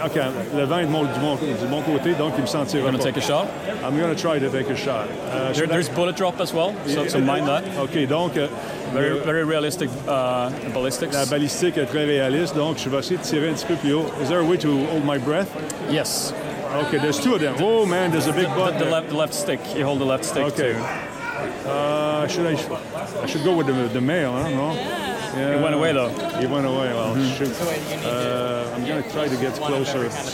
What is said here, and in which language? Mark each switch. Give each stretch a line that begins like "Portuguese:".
French: Okay, le vent est du bon côté, donc il me sentira.
English: You're going to take a shot? I'm going to try to take a shot. There's bullet drop as well, so mind that.
French: Okay, donc...
English: Very, very realistic ballistics.
French: La balistique est très réaliste, donc je vais essayer de tirer un petit peu plus haut.
English: Is there a way to hold my breath? Yes. Okay, there's two of them. Oh man, there's a big butt. The left stick. You hold the left stick okay. too. I should go with the male, I don't know. Yeah. He went away though. He went away. Well, mm-hmm. Shoot. I'm going to try to get closer.